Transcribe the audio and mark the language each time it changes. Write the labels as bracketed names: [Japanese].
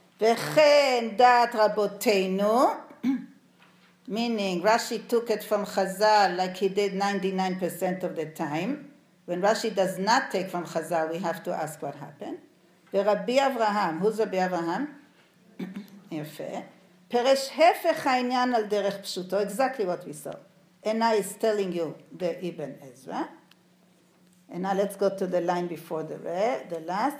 [Hebrew] Vechen dat rabotenu, [English] meaning Rashi took it from Chazal like he did 99% of the time. When Rashi does not take from Chazal, we have to ask what happened. Rabbi Avraham, who's Rabbi Avraham? Yafeh. [Hebrew] פרש הפך העניין על דרך פשוטו, [English] exactly what we saw. And I is telling you the Ibn Ezra. And now let's go to the line before the last.